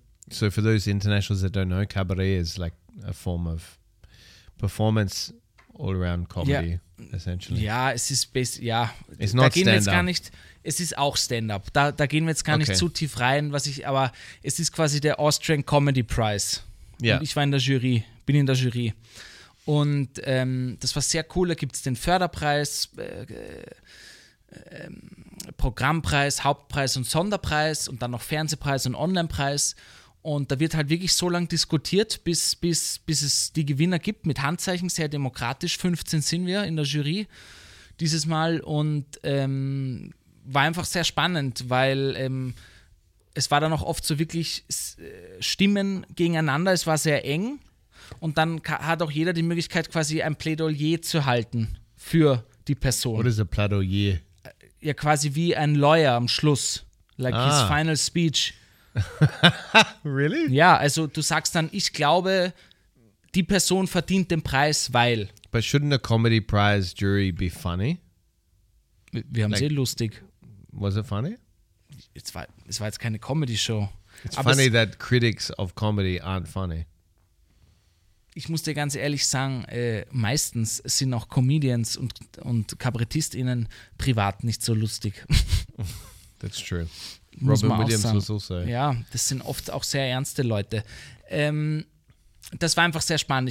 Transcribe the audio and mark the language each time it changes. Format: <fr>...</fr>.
<en>So for those internationals that don't know, Cabaret is like a form of performance all around comedy, essentially.</en> <de>Ja, es ist</de> <en>It's not stand-up.</en> <de>Es ist auch Stand-up. Da gehen wir jetzt gar nicht zu tief rein, aber es ist quasi der</de> <en>Austrian Comedy Prize. Yeah.</en> <de>Und ich war in der Jury, bin in der Jury. Und das war sehr cool, da gibt es den Förderpreis, Programmpreis, Hauptpreis und Sonderpreis und dann noch Fernsehpreis und Onlinepreis. Und da wird halt wirklich so lange diskutiert, bis es die Gewinner gibt, mit Handzeichen, sehr demokratisch, 15 sind wir in der Jury dieses Mal. Und war einfach sehr spannend, weil es war dann auch oft so wirklich Stimmen gegeneinander, es war sehr eng. Und dann hat auch jeder die Möglichkeit, quasi ein Plädoyer zu halten für die Person.</de> <en>What is a Plädoyer?</en> <de>Ja, quasi wie ein Lawyer am Schluss.</de> <en>Like his final speech. Really?</en> <de>Ja, also du sagst dann, ich glaube, die Person verdient den Preis, weil.</de> <en>But shouldn't a comedy prize jury be funny?</en> <de>Wir haben es lustig.</de> <en>Was it funny?</en> <de>Es war jetzt keine Comedy-Show.</de> <en>It's aber funny that critics of comedy aren't funny.</en> <de>Ich muss dir ganz ehrlich sagen, meistens sind auch Comedians und KabarettistInnen privat nicht so lustig.</de> <en>That's true. Robin Williams</en> <de>sagen. Was also. Ja, das sind oft auch sehr ernste Leute. Das war einfach sehr spannend.</de>